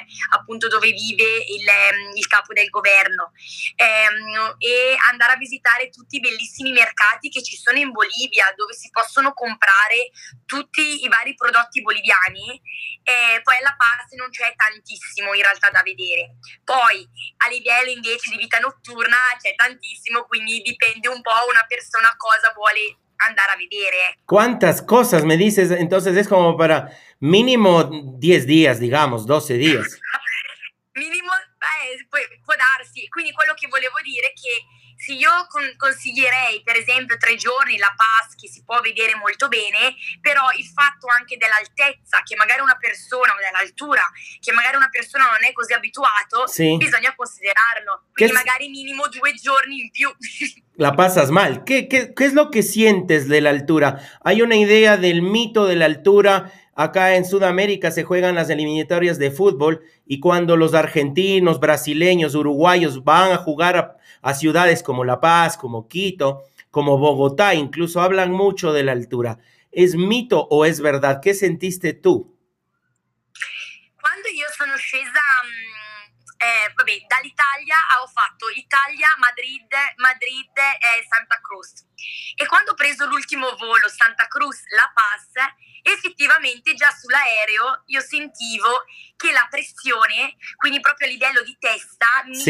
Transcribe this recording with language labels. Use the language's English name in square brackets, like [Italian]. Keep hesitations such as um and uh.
[Italian] appunto dove vive il, il capo del governo ehm, e andare a visitare tutti i bellissimi mercati che ci sono in Bolivia dove si possono comprare tutti i vari prodotti boliviani e poi alla Paz non c'è tantissimo in realtà da vedere poi a livello invece di vita notturna c'è tantissimo, quindi dipende un po' una persona cosa vuole andare a vedere. [Spanish] ¿Cuántas cosas me dices? Entonces es como para mínimo 10 días, digamos, 12 días. [Italian] Minimo, eh, può, può darsi. Quindi quello che volevo dire è che se io con- consiglierei per esempio tre giorni la Paz che si può vedere molto bene, però il fatto anche dell'altezza che magari una persona o dell'altura che magari una persona non è così abituato, Sì. bisogna considerarlo. Quindi Che- magari minimo due giorni in più. [Spanish] La pasas mal. ¿Qué, qué, qué es lo que sientes de la altura? Hay una idea del mito de la altura. Acá en Sudamérica se juegan las eliminatorias de fútbol y cuando los argentinos, brasileños, uruguayos van a jugar a, a ciudades como La Paz, como Quito, como Bogotá, incluso hablan mucho de la altura. ¿Es mito o es verdad? ¿Qué sentiste tú? [Italian] quando io sono scesa mh, eh, vabbè, dall'Italia ah, ho fatto Italia, Madrid, Madrid e Santa Cruz e quando ho preso l'ultimo volo Santa Cruz, La Paz effettivamente già sull'aereo io sentivo che la pressione quindi proprio a livello di testa mi